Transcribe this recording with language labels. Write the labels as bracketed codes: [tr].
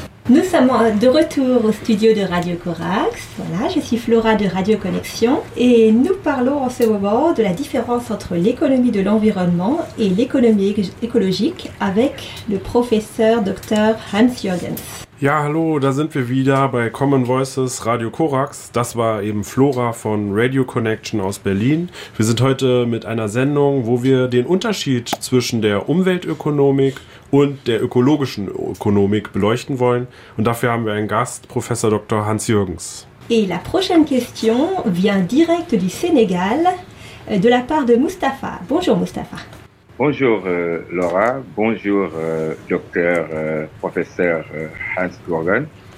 [fr] Nous sommes de retour au studio de Radio Corax. Voilà, je suis Flora de Radio Connexion et nous parlons en ce moment de la différence entre l'économie de l'environnement et l'économie écologique avec le professeur Dr. Hans Jürgens. [de] Ja, hallo, da sind wir wieder bei Common Voices Radio Corax. Das war eben Flora von Radio Connection aus Berlin. Wir sind heute mit einer Sendung, wo wir den Unterschied zwischen der Umweltökonomik und der ökologischen Ökonomik beleuchten wollen. Und dafür haben wir einen Gast, Professor Dr. Hans Jürgens. [fr] Et la prochaine question vient direct du Sénégal, de la part de Mustapha. Bonjour Mustapha. Bonjour Laura, bonjour docteur professeur Hans Jürgens.